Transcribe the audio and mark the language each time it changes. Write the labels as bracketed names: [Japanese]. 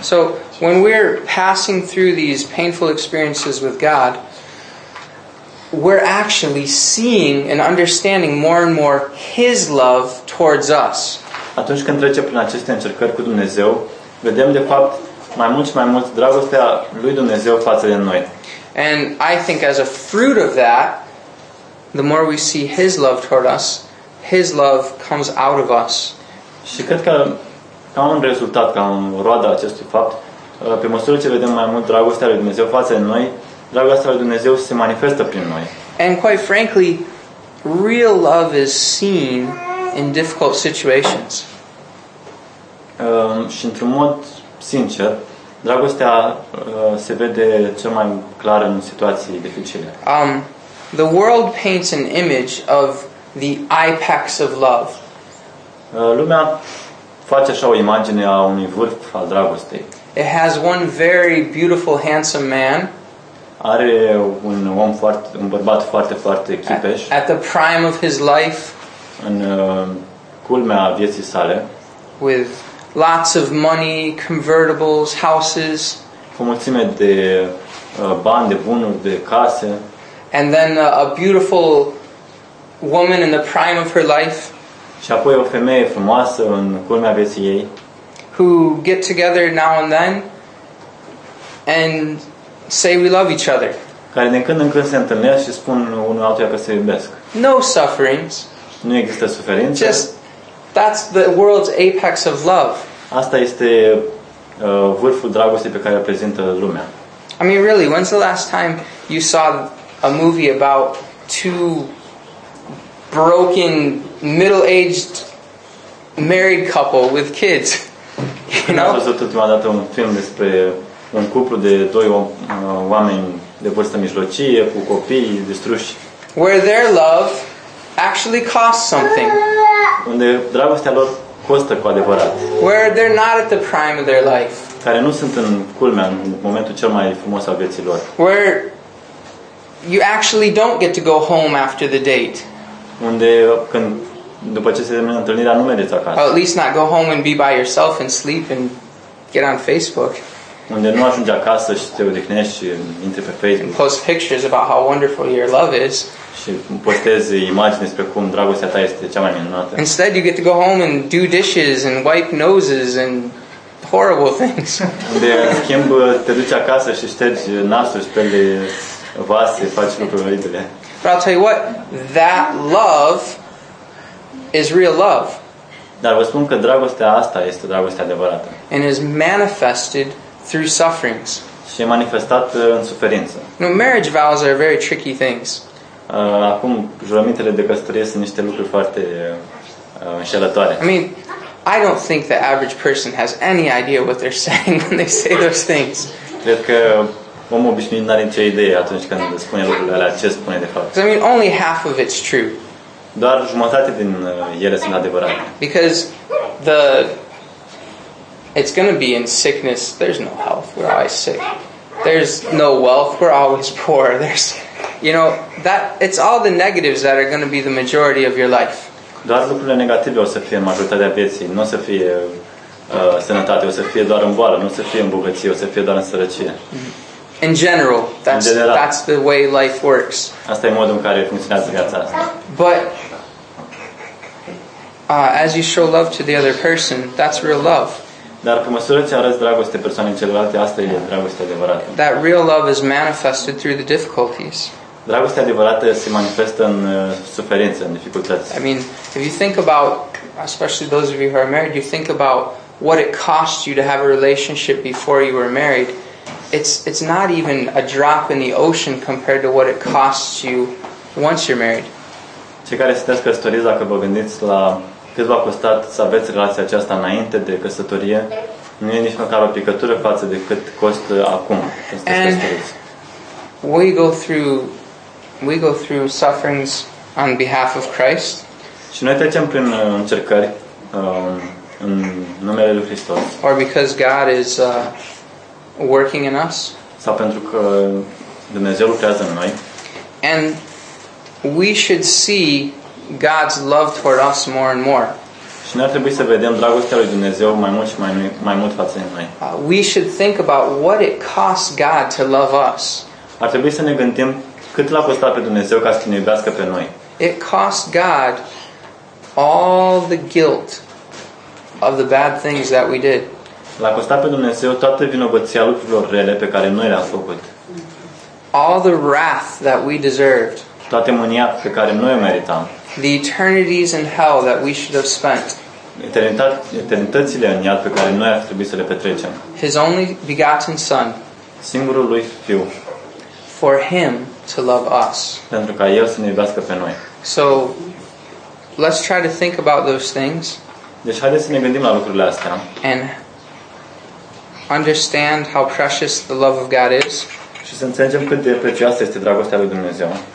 [English] So, when we're passing through these painful experiences with God, we're actually seeing and understanding more and more His love towards us. [Romanian] Atunci când trecem prin aceste încercări cu Dumnezeu, vedem de fapt mai mult și mai mult dragostea lui Dumnezeu față de noi. [English] And I think as a fruit of that, the more we see His love toward us, His love comes out of us. [Romanian] Și cred că ca un rezultat, ca un roadă acestui fapt, pe măsură ce vedem mai mult dragostea lui Dumnezeu față de noi, dragostea lui Dumnezeu se manifestă prin noi. [English] And quite frankly, real love is seen in difficult situations. [Romanian] Și într-un mod sincer, dragostea se vede cel mai clar în situații dificile. [English] The world paints an image of the apex of love. [Romanian] Lumea face așa o imagine a unui vârf al dragostei. [English] It has one very beautiful, handsome man. [Romanian] Are un om foarte, un bărbat foarte, foarte chipeș. [English] At the prime of his life. [Romanian] În culmea vieții sale. [English] With lots of money, convertibles, houses. [Romanian] Cu mulțime de bani, de bunuri, de case. [English] And then a beautiful woman in the prime of her life. [Romanian] Și apoi o femeie frumoasă în culmea vieții ei. [English] Who get together now and then and say we love each other. [Romanian] Care din când în când se întâlnesc și spun unul altuia că se iubesc. [English] No sufferings. [Romanian] Nu există suferință. [English] Just that's the world's apex of love. [Romanian] Asta este vârful dragostei pe care o prezintă lumea. [English] I mean, really, when's the last time you saw a movie about two broken middle-aged married couple with kids? You know? [Romanian] Am văzut ultima dată un film despre un cuplu de doi oameni de vârstă mijlocie cu copii distruși. [English] Where their love actually costs something. [Romanian] Unde dragostea lor costă cu adevărat. [English] Where they're not at the prime of their life. [Romanian] Care nu sunt în culmea, în momentul cel mai frumos al vieții lor. [English] Where you actually don't get to go home after the date. [Romanian] Unde când după ce se termină întâlnirea nu mergeți acasă. [English] Or at least not go home and be by yourself and sleep and get on Facebook. [Romanian] Unde nu ajungi acasă și te odihnești și intri pe Facebook. [English] And post pictures about how wonderful your love is. [Romanian] Și postezi imagini despre cum dragostea ta este cea mai minunată. [English] Instead you get to go home and do dishes and wipe noses and horrible things. [Romanian] Unde în schimb te duci acasă și ștergi nasul, speli vase, faci lucruri oribile. [English] But I'll tell you what, that love is real love. [Romanian] Dar vă spun că dragostea asta este dragostea adevărată. [English] And is manifested through sufferings. [Romanian] Și e manifestat în suferință. [English] Now, marriage vows are very tricky things. [Romanian] Acum jurămintele de căsătorie sunt niște lucruri foarte înșelătoare. [English] I mean, I don't think the average person has any idea what they're saying when they say those things. [Romanian] Cred că omul obișnuit n-are nicio idee atunci când spune lucrurile alea, ce spune de fapt. [English] I mean, only half of it's true. [Romanian] Doar jumătate din ele sunt adevărate. [English] Because the it's going to be in sickness, there's no health, we're always sick. There's no wealth, we're always poor. There's, you know, that it's all the negatives that are going to be the majority of your life. [Romanian] Doar lucrurile negative o să fie în majoritatea vieții, nu o să fie sănătate, o să fie doar în boală, nu o să fie în bogăție, o să fie doar în sărăcie. [English] In general, that's the way life works. [Romanian] Asta e modul în care funcționează viața asta. [English] But as you show love to the other person, that's real love. [Romanian] Dar pe măsură ce arăți dragoste persoanei celelalte, asta e dragoste adevărată. [English] That real love is manifested through the difficulties. [Romanian] Dragostea adevărată se manifestă în suferință, în dificultăți. [English] I mean, if you think about, especially those of you who are married, you think about what it cost you to have a relationship before you were married. it's not even a drop in the ocean compared to what it costs you once you're married. [Romanian] Cei care sunteți căsătoriți, dacă vă gândiți la cât v-a costat să aveți relația aceasta înainte de căsătorie, nu e nici măcar o picătură față de cât costă acum. [English] And we go through sufferings on behalf of Christ. [Romanian] Și noi trecem prin încercări în numele lui Hristos. [English] Or because God is working in us. [Romanian] Sau pentru că Dumnezeu lucrează în noi. [English] And we should see God's love toward us more and more. [Romanian] Și noi trebuie să vedem dragostea lui Dumnezeu mai mult și mai mult față de noi. [English] We should think about what it costs God to love us. [Romanian] Ar trebui să ne gândim cât l-a costat pe Dumnezeu ca să ne iubească pe noi. [English] It cost God all the guilt of the bad things that we did. [Romanian] L-a costat pe Dumnezeu toată vinovăția lucrurilor rele pe care noi le-am făcut. [English] All the wrath that we deserved. [Romanian] Toată mânia pe care noi o meritam. [English] The eternities in hell that we should have spent. [Romanian] Eternitățile în iad pe care noi ar trebui să le petrecem. [English] His only begotten son. [Romanian] Singurul lui fiu. [English] For him to love us. [Romanian] Pentru ca el să ne iubească pe noi. [English] So let's try to think about those things. [Romanian] Deci haideți să ne gândim la lucrurile astea. [English] And understand how precious the love of God is. [Romanian] Și să înțelegem cât de prețioasă este dragostea lui Dumnezeu.